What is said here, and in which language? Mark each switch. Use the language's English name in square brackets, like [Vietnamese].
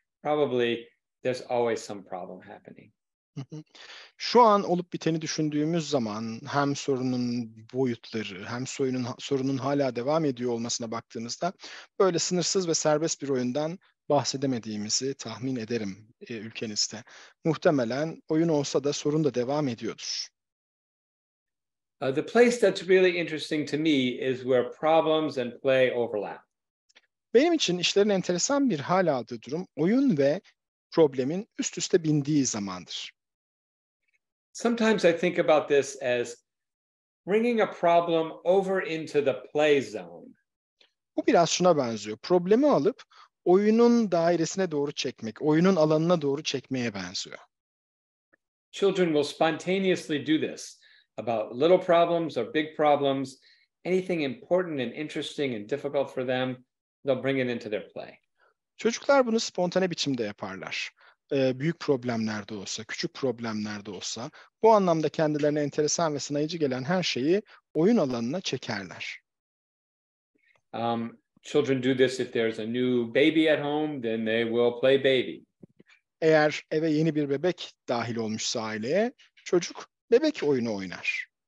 [English] Probably there's always some problem happening. [Turkish] Şu an olup biteni düşündüğümüz zaman hem sorunun boyutları hem sorunun hala devam ediyor olmasına baktığımızda böyle sınırsız ve serbest bir oyundan bahsedemediğimizi tahmin ederim ülkenizde. Muhtemelen oyun olsa da sorun da devam ediyordur. [English] The place that's really interesting to me is where problems and play overlap. [Turkish] Benim için işlerin enteresan bir hal aldığı durum oyun ve problemin üst üste bindiği zamandır. [English] Sometimes I think about this as bringing a problem over into the play zone. [Turkish] Bu biraz şuna benziyor. Problemi alıp oyunun dairesine doğru çekmek, oyunun alanına doğru çekmeye benziyor. [English] Children will spontaneously do this about little problems or big problems, anything important and interesting and difficult for them, they'll bring it into their play. [Turkish] Çocuklar bunu spontane biçimde yaparlar. Büyük problemler de olsa, küçük problemler de olsa, bu anlamda kendilerine enteresan ve sınayıcı gelen her şeyi oyun alanına çekerler. [English] Children do this if there's a new baby at home, then they will play baby. [Turkish] Eğer eve yeni bir bebek dahil olmuşsa aileye, çocuk bebek oyunu oynar.